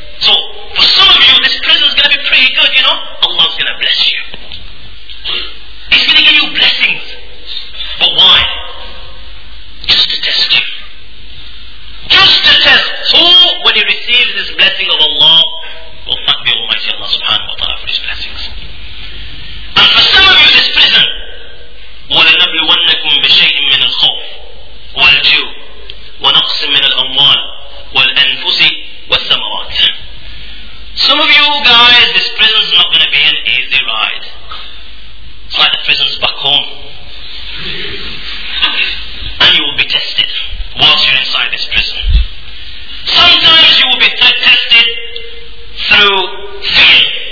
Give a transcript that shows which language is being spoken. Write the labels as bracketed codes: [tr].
[en] So, for some of you, this prison is going to be pretty good, you know. Allah's going to bless you. He's going to give you blessings. But why? Just to test you. Just to test. So, when he receives this blessing of Allah, will thank the Almighty Allah subhanahu wa ta'ala for his blessings. And for some of you, this prison, [ar] وَلَنَبْلُوَنَّكُمْ بِشَيْءٍ مِّنَ الْخَوْفِ وَالْجُوءِ وَنَقْصٍ مِّنَ الْأَمْوَالِ وَالْأَنفُسِ وَالثَّمَرَاتِ. [en] Some of you guys, this prison's not going to be an easy ride. It's like the prison's back home. And you will be tested whilst you're inside this prison. Sometimes you will be tested through fear.